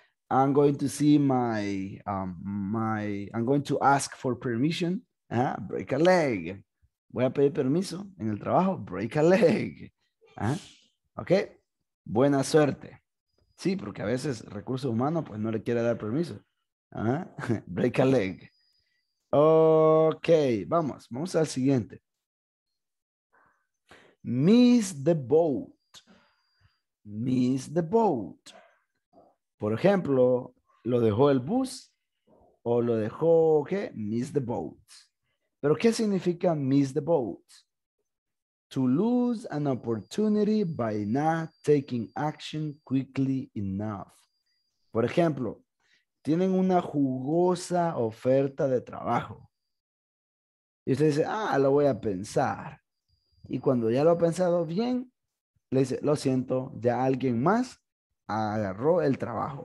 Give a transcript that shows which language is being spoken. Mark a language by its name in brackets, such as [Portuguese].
[English] I'm going to see my, I'm going to ask for permission, break a leg. [Spanish] Voy a pedir permiso en el trabajo, [English] break a leg. [Spanish] Ok, buena suerte. Sí, porque a veces recursos humanos pues no le quiere dar permiso. [English] Break a leg. Ok, [Spanish] vamos al siguiente. [English] Miss the boat. Miss the boat. [Spanish] Por ejemplo, lo dejó el bus o lo dejó, ¿qué? [English] Miss the boat. [Spanish] ¿Pero qué significa [English] miss the boat? To lose an opportunity by not taking action quickly enough. [Spanish] Por ejemplo, tienen una jugosa oferta de trabajo. Y usted dice, lo voy a pensar. Y cuando ya lo ha pensado bien, le dice, lo siento, ya alguien más agarró el trabajo.